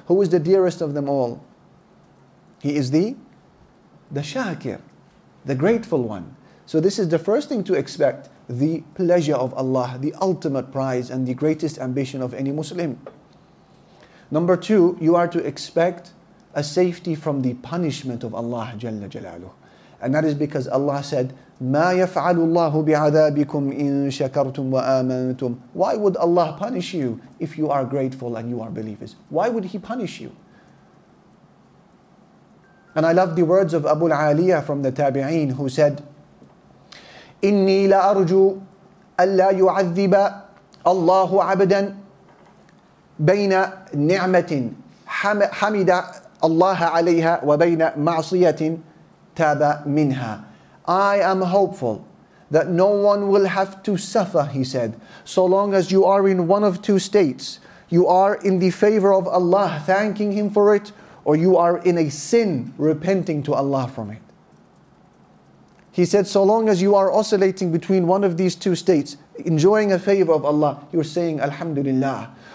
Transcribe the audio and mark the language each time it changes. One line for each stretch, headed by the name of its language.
English: Who is the dearest of them all? He is the shakir, the grateful one. So this is the first thing to expect. the pleasure of Allah, the ultimate prize and the greatest ambition of any Muslim. Number two, you are to expect a safety from the punishment of Allah Jalla Jalaluhu. And that is because Allah said,
Arabic: مَا يَفْعَلُ اللَّهُ بِعَذَابِكُمْ إِن شَكَرْتُمْ وَآمَنْتُمْ.
English: Why would Allah punish you if you are grateful and you are believers? Why would He punish you? And I love the words of Abu al-Aliyah from the Tabi'een, who said,
Arabic: إِنِّي لَأَرْجُوا أَلَّا يُعَذِّبَ اللَّهُ عَبْدًا بَيْنَ نِعْمَةٍ حَمِدَ اللَّهَ عَلَيْهَا وَبَيْنَ مَعْصِيَةٍ تَابَ مِنْهَا.
English: I am hopeful that no one will have to suffer, he said, so long as you are in one of two states. You are in the favor of Allah, thanking Him for it, or you are in a sin, repenting to Allah from it. He said, so long as you are oscillating between one of these two states, enjoying a favor of Allah, you're saying, Alhamdulillah.